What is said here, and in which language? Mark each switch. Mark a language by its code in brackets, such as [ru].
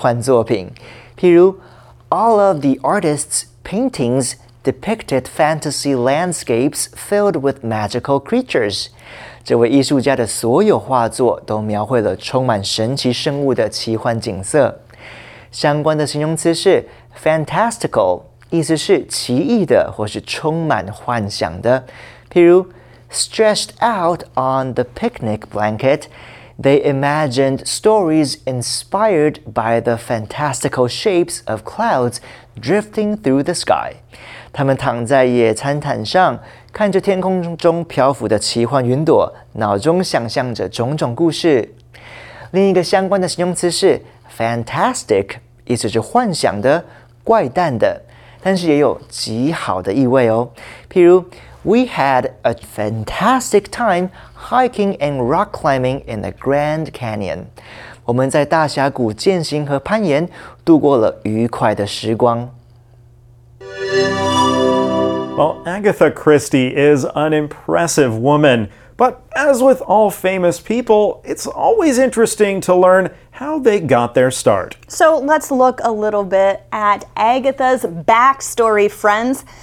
[en] All of the artists' paintings depicted fantasy landscapes filled with magical creatures. [zh] 这位艺术家的所有画作都描绘了充满神奇生物的奇幻景色。相关的形容词是 fantastical, 意思是奇异的或是充满幻想的。譬如 [en] stretched out on the picnic blanket, they imagined stories inspired by the fantastical shapes of clouds drifting through the sky. [zh] 他们躺在野餐毯上看着天空中漂浮的奇幻云朵，脑中想象着种种故事。另一个相关的形容词是 fantastic, 意思是幻想的、怪诞的，但是也有极好的意味哦。譬如 [en] ,We had a fantastic time hiking and rock climbing in the Grand Canyon. [zh] 我们在大峡谷健行和攀岩度过了愉快的时光。 [en] Well, Agatha Christie is an impressive woman, but as with all famous people, it's always interesting to learn how they got their start. So let's look a little bit at Agatha's backstory, friends.